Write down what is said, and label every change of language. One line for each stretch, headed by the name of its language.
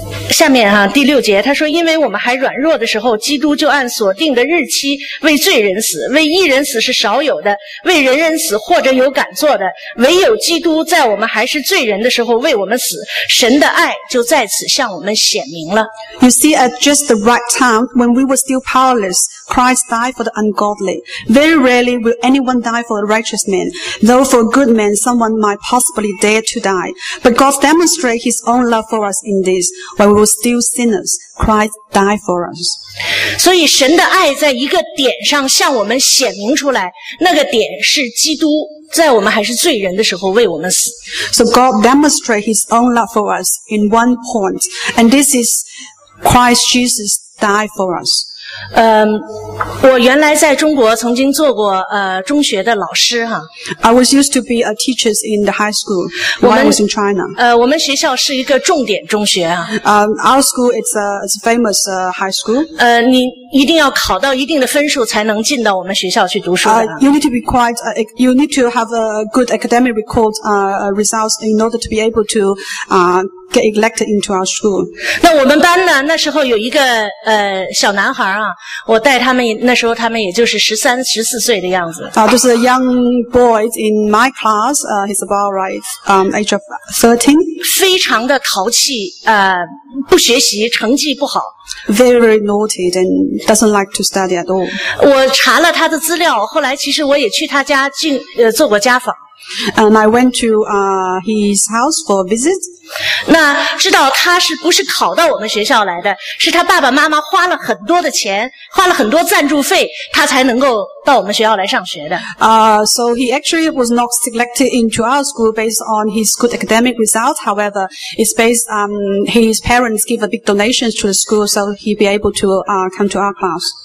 Chinese: 下面哈、第六节，他说：“因为我们还软弱的时候，基督就按所定的日期为罪人死，为义人死是少有的，为人人死或者有敢做的。唯有基督在我们还是罪人的时候为我们死，神的爱就在此向我们显明了。”
English: You see, at just the right time when we were still powerless, Christ died for the ungodly. Very rarely will anyone die for a righteous man, though for a good man someone might possibly dare to die. But God demonstrates His own love for us in this. While we were still sinners, Christ died for us.
Chinese: 所以神的爱在一个点上向我们显明出来，那个点是基督在我们还是罪人的时候为我们死。
English: So God demonstrates His own love for us in one point, and this is Christ Jesus died for us.
Chinese: 我原来在中国曾经做过中学的老师哈。
English: I was used to be a teacher in the high school while I was in China.
Chinese: 我们学校是一个重点中学啊。
English: Our school is a famous high school.
Chinese: 你一定要考到一定的分数才能进到我们学校去读书的。
English: You need to be quite, you need to have a good academic record, results in order to be able to, get elected into our school.
Chinese: 那我们班呢，那时候有一个小男孩啊，我带他们，那时候他们也就是13、14岁的样子。就是
English: a young boy in my class, he's about right, age of 13.
Chinese: 非常的淘气，不学习，成绩不好。
English: Very, very naughty and doesn't like to study at all.
Chinese: 我查了他的资料，后来其实我也去他家进做过家访。
English: And I went to his house for a visit.
Chinese: 那知道他是不是考到我们学校来的，是他爸爸妈妈花了很多的钱，花了很多赞助费，他才能够到我们学校来上学的。
English: So he actually was not selected into our school based on his good academic results. However, it's based his parents give a big donation to the school so he'd be able to come to our class.